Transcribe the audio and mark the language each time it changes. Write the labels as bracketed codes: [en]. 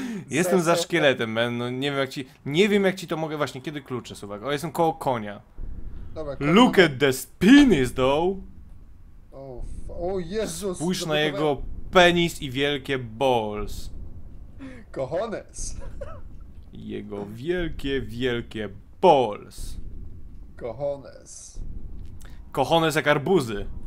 [pl] Jestem za szkieletem, man. No, nie wiem, jak ci... Nie wiem, jak ci to mogę... Właśnie, kiedy klucze, słuchaj. O, jestem koło konia. Dobra, [en] look at the penis, though. [pl] O, Jezus. Spójrz na jego penis i wielkie balls. [es] Cojones. [pl] Jego wielkie, wielkie balls. [es] Cojones. [pl] Cojones jak arbuzy.